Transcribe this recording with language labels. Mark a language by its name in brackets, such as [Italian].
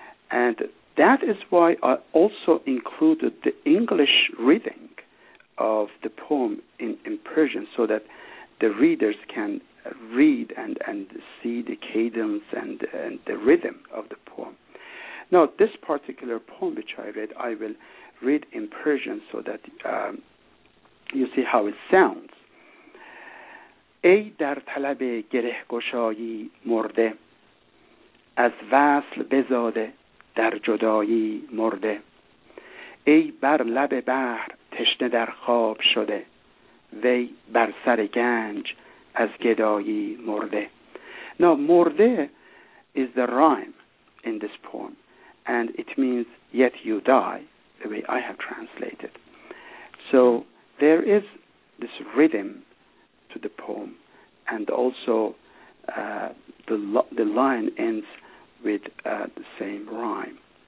[English] And that is why I also included the English reading of the poem in Persian, so that the readers can read and see the cadence and the rhythm of the poem. Now, this particular poem which I read, I will read in Persian so that you see how it sounds. [Persian] ای در طلب گره گشایی مرده از وصل بزاده در جدایی مرده ای بر لب بحر تشنه در خواب شده وی بر سر گنج از گدایی مرده. [English] Now, مرده is the rhyme in this poem, and it means yet you die, the way I have translated. So there is this rhythm to the poem, and also the line ends with the same rhyme.